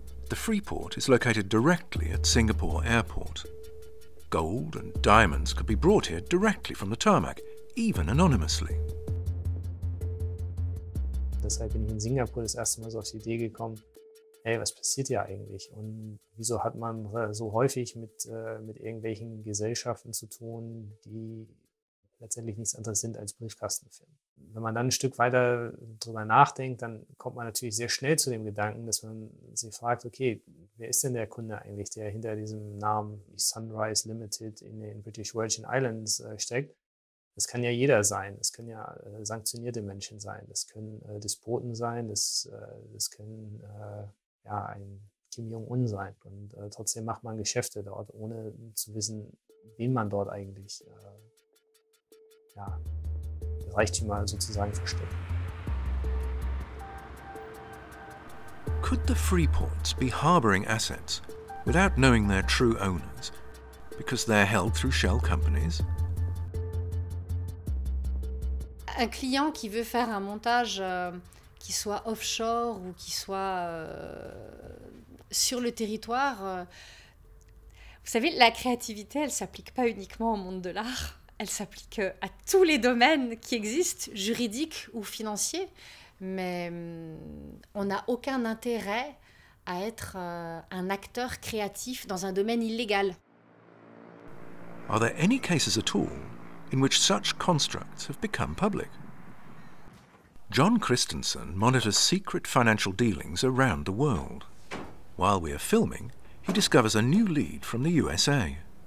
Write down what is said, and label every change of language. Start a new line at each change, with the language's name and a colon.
English: The Freeport is located directly at Singapore Airport. Gold and diamonds could be brought here directly from the tarmac, even anonymously.
German: Deshalb bin ich in Singapur das erste Mal so auf die Idee gekommen, hey, was passiert hier eigentlich? Und wieso hat man so häufig mit irgendwelchen Gesellschaften zu tun, die letztendlich nichts anderes sind als Briefkastenfirmen? Wenn man dann ein Stück weiter drüber nachdenkt, dann kommt man natürlich sehr schnell zu dem Gedanken, dass man sich fragt, okay, wer ist denn der Kunde eigentlich, der hinter diesem Namen Sunrise Limited in den British Virgin Islands steckt? Das kann ja jeder sein, das können ja sanktionierte Menschen sein, das können Despoten sein, das können ein Kim Jong-un sein. Und trotzdem macht man Geschäfte dort, ohne zu wissen, wen man dort eigentlich Reichtümer sozusagen versteckt.
English: Could the Freeports be harboring assets without knowing their true owners, because they're held through shell companies?
French: Un client qui veut faire un montage qui soit offshore ou qui soit sur le territoire, vous savez, la créativité, elle s'applique pas uniquement au monde de l'art, elle s'applique à tous les domaines qui existent, juridiques ou financiers, mais on n'a aucun intérêt à être un acteur créatif dans un domaine illégal.
English: Are there any cases at all in which such constructs have become public? John Christensen monitors secret financial dealings around the world. While we are filming, he discovers a new lead from the USA.